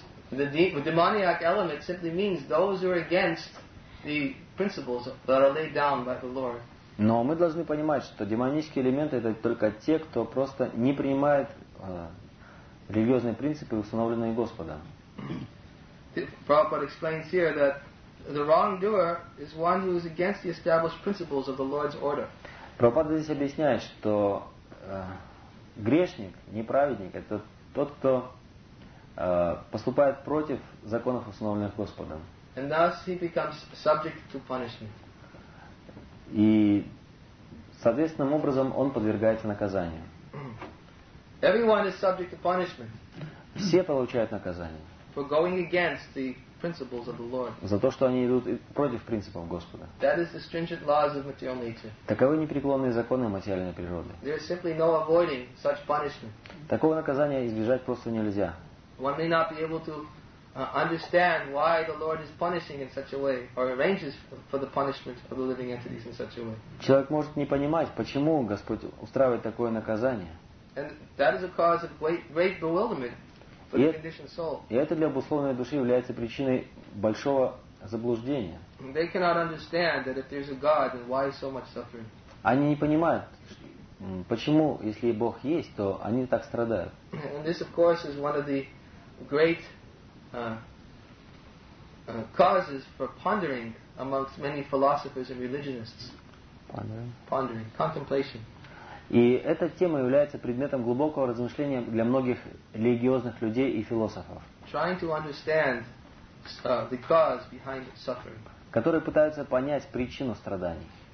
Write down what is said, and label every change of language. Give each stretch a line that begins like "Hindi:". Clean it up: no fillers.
English: the demoniac element simply means those who are against the principles that are laid down by the Lord.
Russian: Но мы должны понимать, что демонические элементы это только те, кто просто не принимает религиозные принципы, установленные Господом.
English: Prabhupada explains here that the wrongdoer is one who is against the established principles of the Lord's order.
Russian: Прабхупада здесь объясняет, что грешник, неправедник, это тот, кто поступает против законов, установленных Господом.
English: And thus he becomes subject to punishment.
Russian: И соответственным образом он подвергается наказанию.
English: Everyone is subject to punishment.
Russian: Все получают наказание.
English: For going against the principles of the Lord.
Russian: За то, что они идут против принципов Господа.
English: That is the stringent laws of material nature.
Russian: Таковы непреклонные законы материальной природы.
English: There is simply no avoiding such punishment.
Russian: Такого наказания избежать просто нельзя.
English: One may not be able to understand why the Lord is punishing in such a way, or arranges for the punishment of the living entities in such a way.
Russian: Человек может не понимать, почему Господь устраивает такое наказание.
English: And that is a cause of great bewilderment.
Russian: И это для обусловленной души является причиной большого заблуждения.
English: They cannot understand that if there's a God, then why so much suffering?
Russian: Они не понимают, почему, если Бог есть, то они так страдают.
English: And this, of course, is one of the great causes for pondering amongst many philosophers and religionists. Pondering, contemplation.
Russian: И эта тема является предметом глубокого размышления для многих религиозных людей и философов, которые пытаются понять причину страданий.